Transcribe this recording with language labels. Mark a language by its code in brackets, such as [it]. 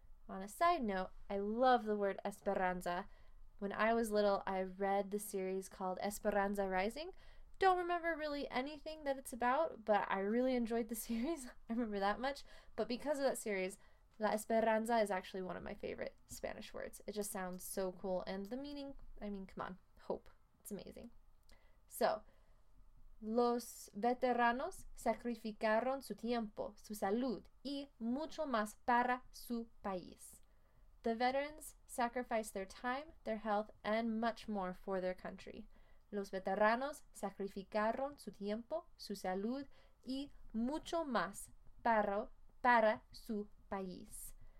[en] On a side note, I love the word esperanza. When I was little, I read the series called Esperanza Rising. Don't remember really anything that it's about, but I really enjoyed the series. I remember that much. But because of that series, La Esperanza is actually one of my favorite Spanish words. It just sounds so cool. And the meaning, I mean, come on, hope. It's amazing. [es] So, los veteranos sacrificaron su tiempo, su salud, y mucho más para su país. [en] The veterans sacrificed their time, their health, and much more for their country. [es] Los veteranos sacrificaron su tiempo, su salud, y mucho más para su país.